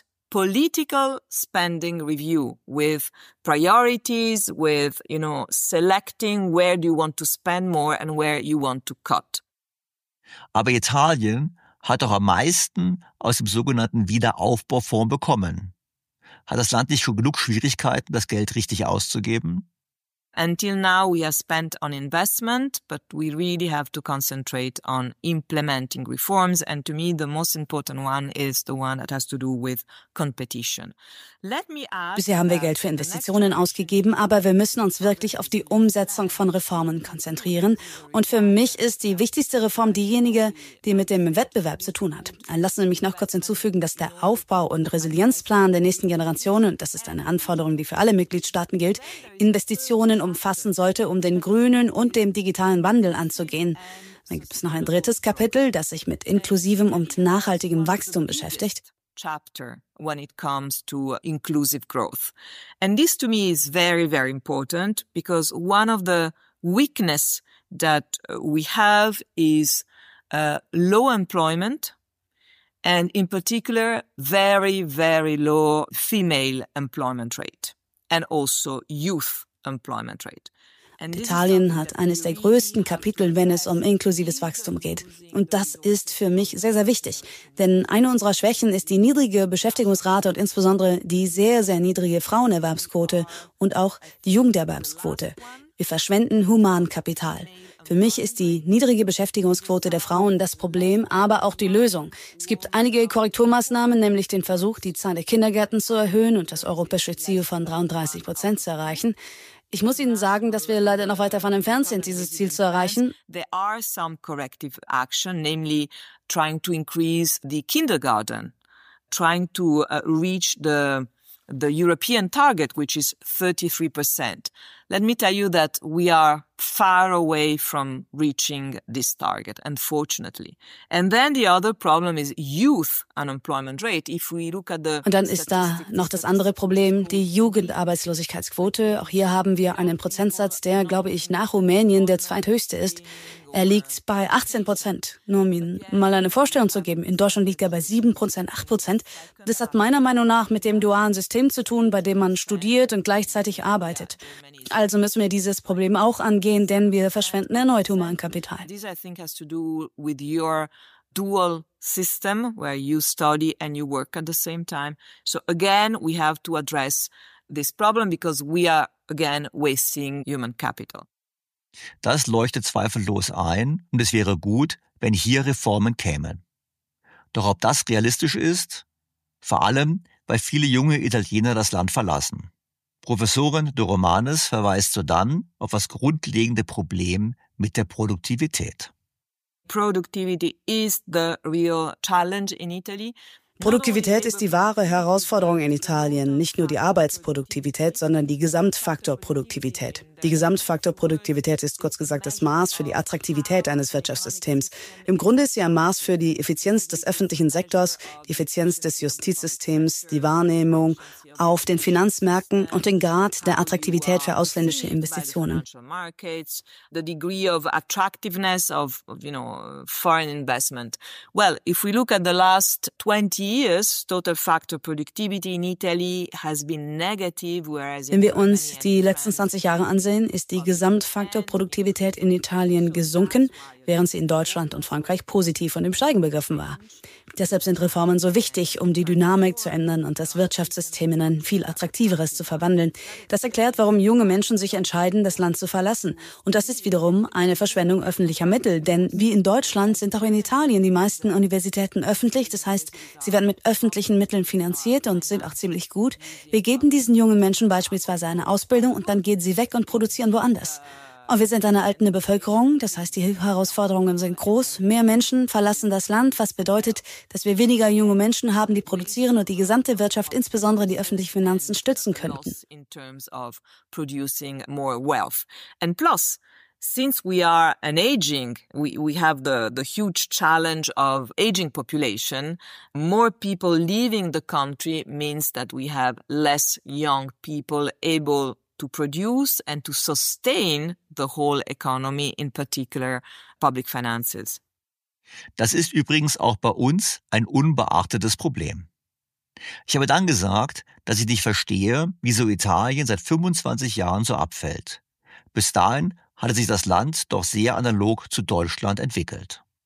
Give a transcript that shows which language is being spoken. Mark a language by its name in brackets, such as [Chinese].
[English] Political spending review with priorities, with, you know, selecting where do you want to spend more and where you want to cut. [German] Aber Italien hat doch am meisten aus dem sogenannten Wiederaufbaufonds bekommen. Hat das Land nicht schon genug Schwierigkeiten, das Geld richtig auszugeben? [English] Until now we have spent on investment, but we really have to concentrate on implementing reforms. And to me, the most important one is the one that has to do with competition. [German] Bisher haben wir Geld für Investitionen ausgegeben, aber wir müssen uns wirklich auf die Umsetzung von Reformen konzentrieren. Und für mich ist die wichtigste Reform diejenige, die mit dem Wettbewerb zu tun hat. Lassen Sie mich noch kurz hinzufügen, dass der Aufbau- und Resilienzplan der nächsten Generationen, das ist eine Anforderung, die für alle Mitgliedstaaten gilt, Investitionen umfassen sollte, um den grünen und dem digitalen Wandel anzugehen. Dann gibt es noch ein drittes Kapitel, das sich mit inklusivem und nachhaltigem Wachstum beschäftigt. [English] Chapter when it comes to inclusive growth. And this to me is very, very important because one of the weakness that we have is low employment and in particular very, very low female employment rate and also youth employment rate. [German] Italien hat eines der größten Kapitel, wenn es um inklusives Wachstum geht. Und das ist für mich sehr, sehr wichtig. Denn eine unserer Schwächen ist die niedrige Beschäftigungsrate und insbesondere die sehr, sehr niedrige Frauenerwerbsquote und auch die Jugenderwerbsquote. Wir verschwenden Humankapital. Für mich ist die niedrige Beschäftigungsquote der Frauen das Problem, aber auch die Lösung. Es gibt einige Korrekturmaßnahmen, nämlich den Versuch, die Zahl der Kindergärten zu erhöhen und das europäische Ziel von 33% zu erreichen. Ich muss Ihnen sagen, dass wir leider noch weit davon entfernt sind, dieses Ziel zu erreichen. [English] There are some corrective action, namely trying to increase the kindergarten, trying to reach the European target, which is 33%. Let me tell you that we are far away from reaching this target, unfortunately. And then the other problem is youth unemployment rate. If we look at the. [German] Und dann ist da noch das andere Problem, die Jugendarbeitslosigkeitsquote. Auch hier haben wir einen Prozentsatz, der, glaube ich, nach Rumänien der zweithöchste ist. Er liegt bei 18%. Nur um Ihnen mal eine Vorstellung zu geben. In Deutschland liegt er bei 7%, 8%. Das hat meiner Meinung nach mit dem dualen System zu tun, bei dem man studiert und gleichzeitig arbeitet. also müssen wir dieses Problem auch angehen, denn wir verschwenden erneut Humankapital. [English] This, I think, has to do with your dual system, where you study and you work at the same time. So again, we have to address this problem because we are again wasting human capital. [German] Das leuchtet zweifellos ein und es wäre gut, wenn hier Reformen kämen. Doch ob das realistisch ist, vor allem, weil viele junge Italiener das Land verlassen. Professorin De Romanis verweist sodann auf das grundlegende Problem mit der Produktivität. [English] Productivity is the real challenge in Italy. [German] Produktivität ist die wahre Herausforderung in Italien, nicht nur die Arbeitsproduktivität, sondern die Gesamtfaktorproduktivität. Die Gesamtfaktorproduktivität ist kurz gesagt das Maß für die Attraktivität eines Wirtschaftssystems. Im Grunde ist sie ein Maß für die Effizienz des öffentlichen Sektors, die Effizienz des Justizsystems, die Wahrnehmung auf den Finanzmärkten und den Grad der Attraktivität für ausländische Investitionen. [English] The degree of attractiveness of, you know, foreign investment. Well, if we look at the last 20 years, total factor productivity in Italy has been negative, whereas [German] wenn wir uns die letzten 20 Jahre ansehen, ist die Gesamtfaktorproduktivität in Italien gesunken, während sie in Deutschland und Frankreich positiv und im Steigen begriffen war. Deshalb sind Reformen so wichtig, um die Dynamik zu ändern und das Wirtschaftssystem in ein viel attraktiveres zu verwandeln. Das erklärt, warum junge Menschen sich entscheiden, das Land zu verlassen. Und das ist wiederum eine Verschwendung öffentlicher Mittel. Denn wie in Deutschland sind auch in Italien die meisten Universitäten öffentlich. Das heißt, sie werden mit öffentlichen Mitteln finanziert und sind auch ziemlich gut. Wir geben diesen jungen Menschen beispielsweise eine Ausbildung und dann gehen sie weg und produzieren woanders. Und wir sind eine alternde Bevölkerung, das heißt, die Herausforderungen sind groß. Mehr Menschen verlassen das Land, was bedeutet, dass wir weniger junge Menschen haben, die produzieren und die gesamte Wirtschaft, insbesondere die öffentlichen Finanzen, stützen könnten. [English] In terms of producing more wealth. And plus, since we are an aging, we have the huge challenge of aging population. More people leaving the country means that we have less young people able to produce and to sustain the whole economy, in particular public finances. [German] Das ist übrigens auch bei uns ein unbeachtetes Problem. Ich habe dann gesagt, dass ich nicht verstehe, wieso Italien seit 25 Jahren so abfällt. Bis dahin hatte sich das Land doch sehr analog zu Deutschland entwickelt.